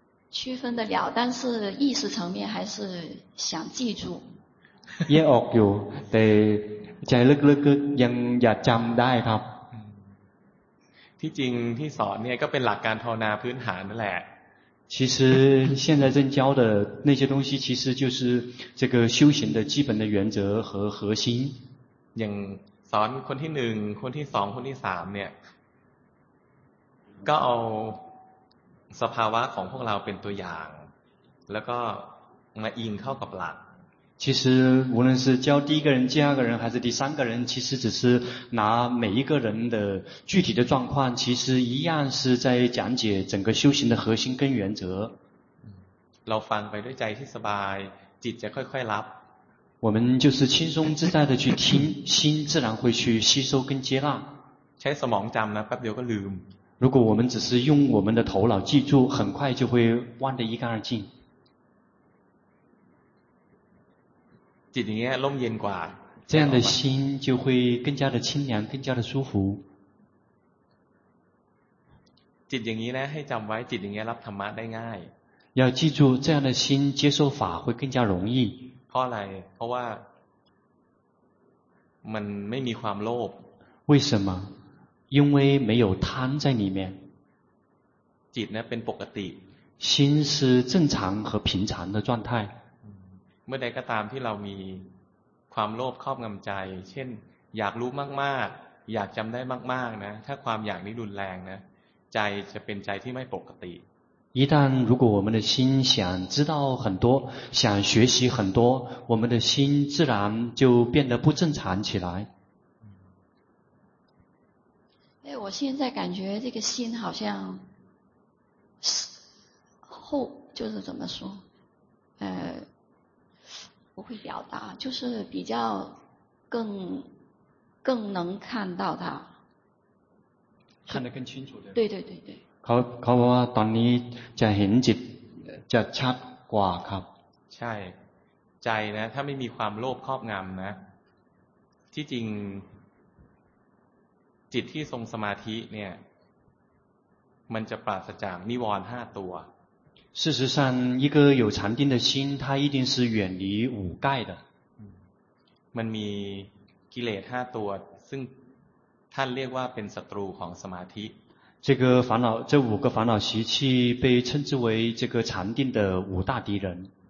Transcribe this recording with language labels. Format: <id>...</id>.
<zh>区分得了，但是意识层面还是想记住。</zh> <th>แยกออกอยู่แต่ใจลึกๆยังอยากจำได้ครับ。 ที่จริงที่สอนเนี่ยก็เป็นหลักการภาวนาพื้นฐานนั่นแหละ。</th> <zh>其实现在正教的那些东西其实就是这个修行的基本的原则和核心</zh> <th>อย่างสอนคนที่หนึ่งคนที่สองคนที่สามเนี่ยก็เอาสภาวะของพวกเราเป็นตัวอย่างแล้วก็มาอิงเข้ากับหลัก</th> <zh>其实无论是教第一个人第二个人还是第三个人其实只是拿每一个人的具体的状况其实一样是在讲解整个修行的核心跟原则</zh> <th>เราฟังไปด้วยใจที่สบายจิตจะค่อยๆรับ</th> <zh>我们就是轻松自在的去听心自然会去吸收跟接纳</zh> <th>ใช้สมองจำนะแป๊บเดียวก็ลืม</th> <zh>如果我们只是用我们的头脑记住很快就会忘得一干二净</zh> <th>จิตอย่างเงี้ยร่มเย็นกว่า</th> <zh>这样的心就会更加的清凉更加的舒服</zh> <th>จิตอย่างนี้นะให้จำไว้จิตอย่างเงี้ยรับธรรมะได้ง่าย</th> <zh>要记住这样的心接受法会更加容易</zh> <th>เพราะอะไรเพราะว่ามันไม่มีความโลภ</th> <zh>为什么因为没有贪在里面</zh> <th>จิตเนี่ยเป็นปกติ</th> <zh>心是正常和平常的状态</zh> <th>เมื่อใดก็ตามที่เรามีความโลภครอบงำใจเช่นอยากรู้มากๆอยากจำได้มากๆนะถ้าความอยากนี้รุนแรงนะใจจะเป็นใจที่ไม่ปกติ</th> <zh>一旦如果我们的心想知道很多想学习很多我们的心自然就变得不正常起来哎我现在感觉这个心好像后就是怎么说不会表达就是比较更能看到它看得更清楚的对对对对</zh> <th>เขาบอกว่าตอนนี้จะเห็นจิตจะชัดกว่าครับ ใช่ใจนะถ้าไม่มีความโลภครอบงำนะที่จริงจิตที่ทรงสมาธิเนี่ยันจะปราศจากนิวรณ์5ตัว</th> <zh>事实上一个有禅定的心它一定是远离五盖的</zh> <th>มันมีกิเลส5ตัวซึ่งท่านเรียกว่าเป็นศัตรูของสมาธิ</th> <zh>这个烦恼这五个烦恼习气被称之为这个禅定的五大敌人</zh>